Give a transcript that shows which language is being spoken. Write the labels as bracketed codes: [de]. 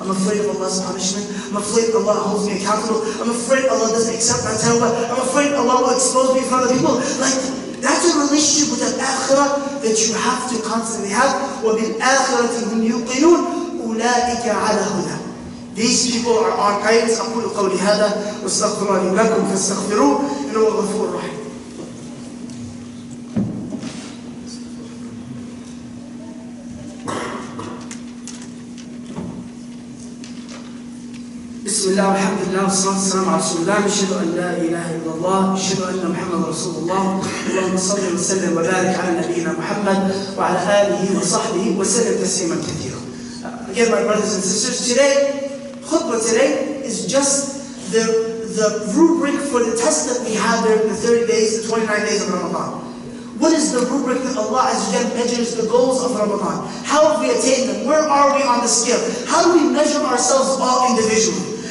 [en] I'm afraid of Allah's punishment. I'm afraid Allah holds me accountable. I'm afraid Allah doesn't accept my tawbah. I'm afraid Allah will expose me in front of people. Like, that's a relationship with the akhirah that you have to constantly have. [ar] وَبِالْآخِرَةِ هُمْ يُوقِنُونَ أُولَٰئِكَ عَلَى هُدًى. [en] These people are our guides. [ar] أقول قولي هذا واستغفر لي ولكم فاستغفروه إنه غفور رحيم. بسم الله والحمد لله والصلاة والسلام على رسول الله. أشهد أن لا إله إلا الله، أشهد أن محمد رسول الله. اللهم صل وسلم وبارك على نبينا محمد وعلى آله وصحبه وسلم تسليما كثيرا. [en] Again, my brothers and sisters, today, khutbah today is just the rubric for the test that we have there in the 30 days, the 29 days of Ramadan. What is the rubric that Allah Azzajal measures the goals of Ramadan? How have we attained them? Where are we on the scale? How do we measure ourselves all individually?